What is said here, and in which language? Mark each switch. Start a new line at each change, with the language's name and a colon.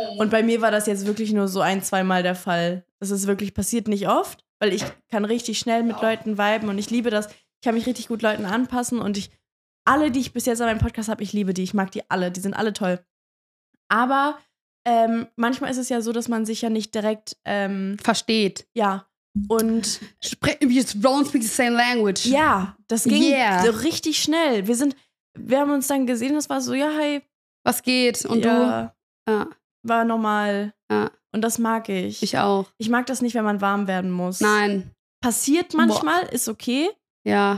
German: Und bei mir war das jetzt wirklich nur so ein, zweimal der Fall. Das ist wirklich passiert nicht oft, weil ich kann richtig schnell mit Leuten viben und ich liebe das. Ich kann mich richtig gut Leuten anpassen und ich alle, die ich bis jetzt an meinem Podcast habe, ich liebe die. Ich mag die alle, die sind alle toll. Aber manchmal ist es ja so, dass man sich ja nicht direkt versteht. Ja. Und wir
English: don't speak the same language.
German: Ja, das ging so richtig schnell. Wir haben uns dann gesehen, das war so, ja, hi. Was geht? Und ja, du? Ja. War normal. Ja. Und das mag ich. Ich auch. Ich mag das nicht, wenn man warm werden muss. Nein. Passiert manchmal, ist okay. Ja.